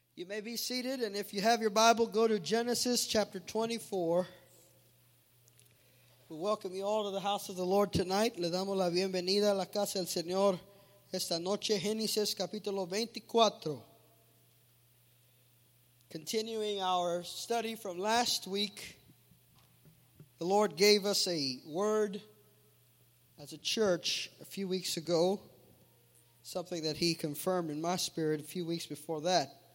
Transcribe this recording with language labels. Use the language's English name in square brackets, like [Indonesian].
[English] You may be seated, and if you have your Bible, go to Genesis chapter 24. We welcome you all to the house of the Lord tonight. [Spanish] Le damos la bienvenida a la casa del Señor esta noche. Genesis capítulo 24. [English] Continuing our study from last week, the Lord gave us a word as a church a few weeks ago, something that he confirmed in my spirit a few weeks before that.